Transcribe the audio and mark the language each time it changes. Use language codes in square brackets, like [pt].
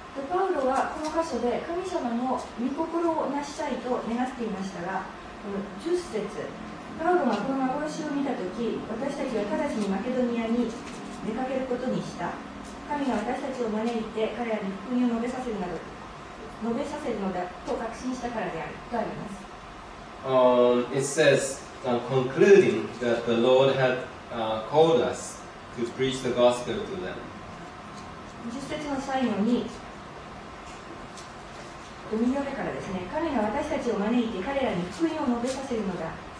[ja] パウロはこの箇所で神様の御心を成したいと願っていましたが、この10節。パウロはこの幻を見たとき、私たちは直ちにマケドニアに出かけることにした。神が私たちを招いて彼らに福音を述べさせるなど、述べさせるのだと確信したからであるとあります。 [en] It says, concluding that the Lord had called us to preach the gospel to them. [ja] 10節の最後に、海の上からですね、神が私たちを招いて彼らに福音を述べさせるのだ。